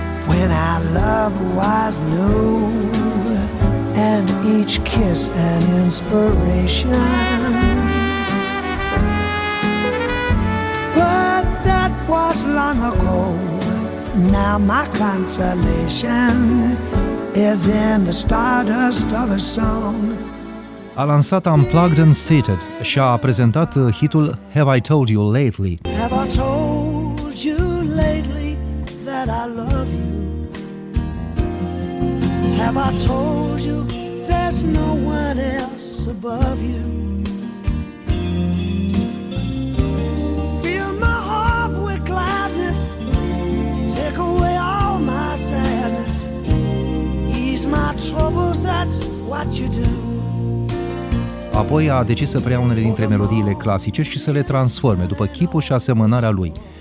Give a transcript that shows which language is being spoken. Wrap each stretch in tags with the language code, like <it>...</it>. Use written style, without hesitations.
<en>When our love was new, and each kiss an inspiration, but that was long ago. Now my consolation is in the stardust of a song.</en> <ro>A lansat Unplugged and Seated și a prezentat hitul Have I Told You Lately.</ro> <en>Have I told you lately that I love you? Have I told you there's no one else above you? Fill my heart with gladness, take away all my sadness, ease my troubles, that's what you do.</en> <ro>Apoi a decis să preia unele dintre melodiile clasice și să le transforme după chipul și asemănarea lui.</ro>